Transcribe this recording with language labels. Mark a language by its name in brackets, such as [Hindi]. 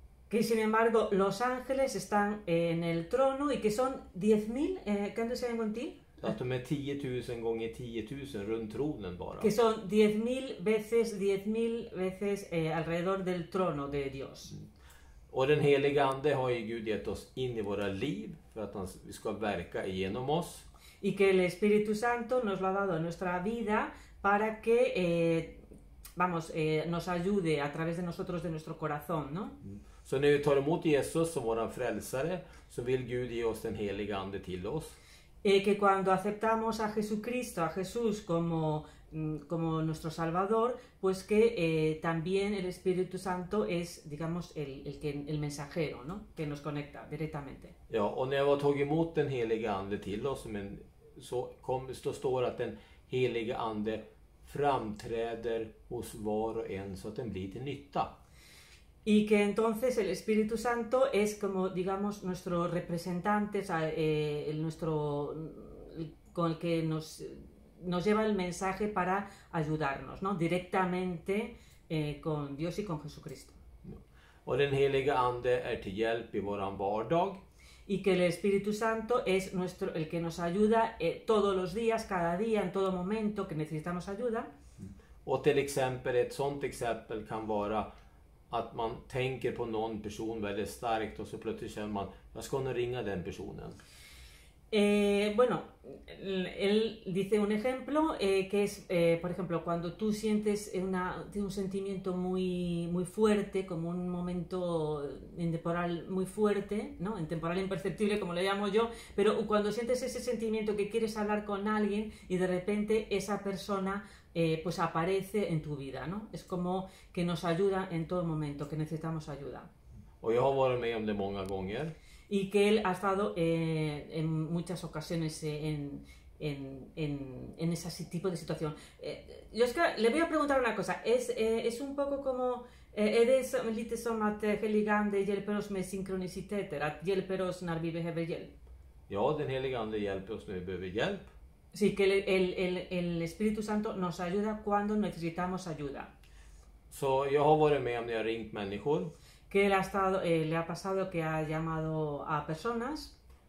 [Spanish] Que sin embargo, los ángeles están en el trono y que son 10 000, ¿cuánto se llaman contigo? [Swedish] Att de är 10 000 gånger 10 000 runt tronen bara. [Spanish] Que son 10 000 veces, 10 000 veces alrededor del trono de Dios. Mm. [Swedish] Och den heliga ande har ju Gud gett oss in i våra liv för att han ska verka igenom oss. [Spanish] Y que el Espíritu Santo nos lo ha dado en nuestra vida para que, vamos, nos ayude a través de nosotros, de nuestro corazón, ¿no? Mm. [Swedish] Så när vi tar emot Jesus som våran frälsare, så vill Gud ge oss den heliga ande till oss. [Spanish] Que cuando aceptamos a Jesucristo, a Jesús como nuestro Salvador, pues que también el Espíritu Santo es, digamos, el mensajero, ¿no? Que nos conecta directamente. [Swedish] Ja, och när jag har tagit emot den heliga ande till oss, men så står det att den heliga ande framträder hos var och en så att den blir till nytta. [Spanish] Y que entonces el Espíritu Santo es como, digamos, nuestro representante, o sea, nuestro, con el que nos nos lleva el mensaje para ayudarnos, ¿no? Directamente con Dios y con Jesucristo. [Swedish] Och den helige ande är till hjälp i våran vardag. [Spanish] Y que el Espíritu Santo es nuestro el que nos ayuda todos los días, cada día, en todo momento que necesitamos ayuda. [Swedish] Och till exempel ett sånt exempel kan vara att man tänker på någon person väldigt starkt och så plötsligt känner man jag ska nu ringa den personen. [Spanish] Bueno, él dice un ejemplo que es, por ejemplo, cuando tú sientes un sentimiento muy, muy fuerte, como un momento intemporal muy fuerte, ¿no? Intemporal imperceptible, como le llamo yo, pero cuando sientes ese sentimiento que quieres hablar con alguien y de repente esa persona pues aparece en tu vida, ¿no? Es como que nos ayuda en todo momento, que necesitamos ayuda. O yo he estado con él de muchas veces. Y que él ha estado en muchas ocasiones en ese tipo de situación. Yo es que le voy a preguntar una cosa. Es un poco como eres [Swedish] lite som att heligan de hjälper oss med synkronisiteter, att hjälper oss när vi behöver hjälp. Ja, den heligan de hjälper oss när vi behöver hjälp. [Spanish] Sí, que el Espíritu Santo nos ayuda cuando necesitamos ayuda. [Swedish] Så jag har varit med om jag ringt människor. [Spanish] Que él ha estado, le ha pasado que ha llamado a personas.